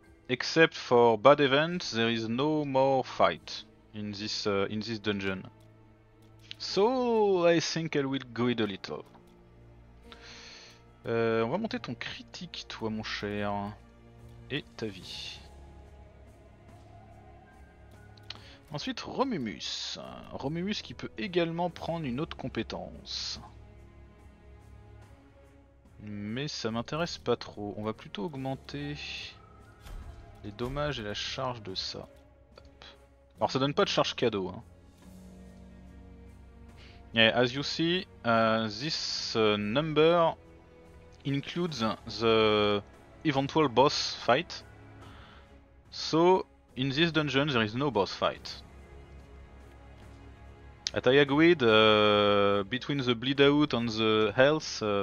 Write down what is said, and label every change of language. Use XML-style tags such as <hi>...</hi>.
<en>Except for bad events, there is no more fight in this dungeon. So, I think I will go it a little.</en> <fr>On va monter ton critique, toi, mon cher. Et ta vie. Ensuite, Romumus. Romumus qui peut également prendre une autre compétence. Mais ça m'intéresse pas trop. On va plutôt augmenter les dommages et la charge de ça. Hop. Alors, ça donne pas de charge cadeau, hein.</fr> <en>Yeah, as you see, this number includes the eventual boss fight. So, in this dungeon, there is no boss fight. At I agreed, between the bleed out and the health.</en>